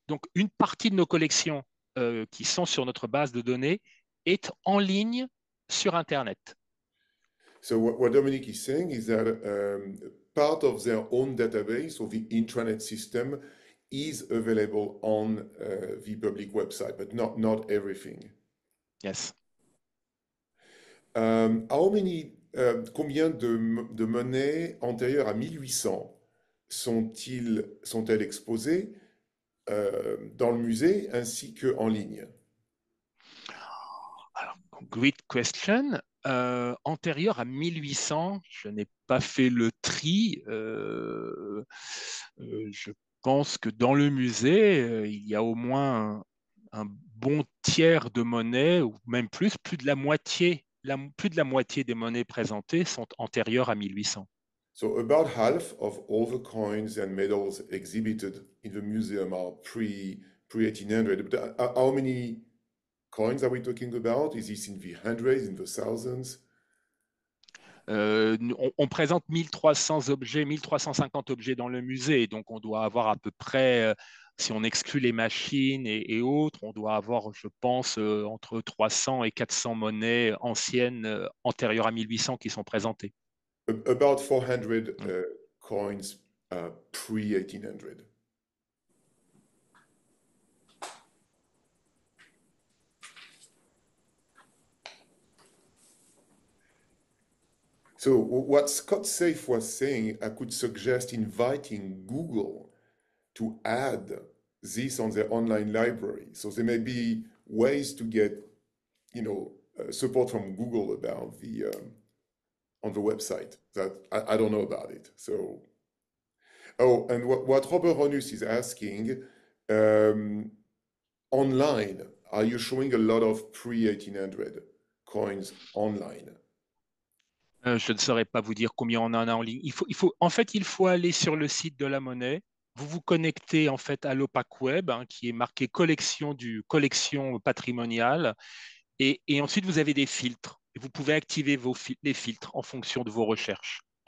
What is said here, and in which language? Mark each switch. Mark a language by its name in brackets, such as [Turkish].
[French] Donc une partie de nos collections qui sont sur notre base de données est en ligne sur internet. [English] So what Dominique is saying is that part of their own database or the intranet system is available on the public website, but not everything. Yes. [French] Combien de monnaies antérieures à 1800 sont-elles exposées dans le musée ainsi que en ligne? [English] Great question. [French] Antérieure à 1800, je n'ai pas fait le tri. Je pense que dans le musée, il y a au moins un bon tiers de monnaies, ou même plus de la moitié, plus de la moitié des monnaies présentées sont antérieures à 1800. [English] So about half of all the coins and medals exhibited in the museum are pre-1800. How many coins are we talking about? Is this in the hundreds, in the thousands? [French] On présente 1300 objets, 1350 objets dans le musée, donc on doit avoir à peu près, si on exclut les machines et autres, on doit avoir, je pense, entre 300 et 400 monnaies anciennes antérieures à 1800 qui sont présentées. [English] About 400 coins pre-1800. So what Scott Safe was saying, I could suggest inviting Google to add this on their online library. So there may be ways to get, you know, support from Google about the on the website that I don't know about it. So, oh, and what Robert Ronus is asking, online, are you showing a lot of pre-1800 coins online? [French] Je ne saurais pas vous dire combien on en a en ligne. Il faut aller sur le site de la monnaie. Vous vous connectez en fait à l'OPAC web hein, qui est marqué collection patrimoniale. Et ensuite, vous avez des filtres. Et vous pouvez activer les filtres en fonction de vos recherches.